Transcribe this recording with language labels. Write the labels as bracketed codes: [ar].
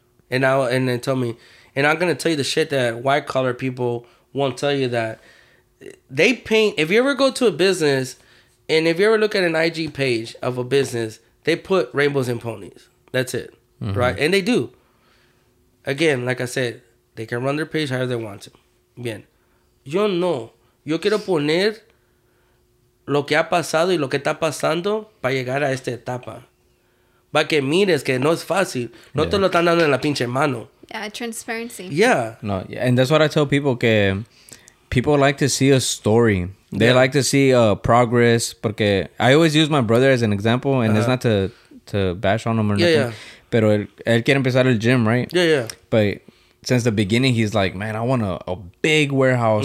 [en] And then tell me, and I'm gonna tell you the shit that white collar people won't tell you. That they paint, if you ever go to a business and if you ever look at an IG page of a business, they put rainbows and ponies. That's it. Mm-hmm. Right? And they do. Again, like I said, they can run their page however they want to. [es] Bien. Yo no. Yo quiero poner lo que ha pasado y lo que está pasando para llegar a esta etapa. Para que mires que no es fácil. No te lo están dando en la pinche mano. [en] Yeah, transparency. Yeah. No, and that's what I tell people, que people like to see a story. They like to see progress. Porque I always use my brother as an example. And it's not to bash on him or nothing. [es] Yeah. Pero él quiere empezar el gym, right? [en] Yeah. But since the beginning, he's like, man, I want a big warehouse.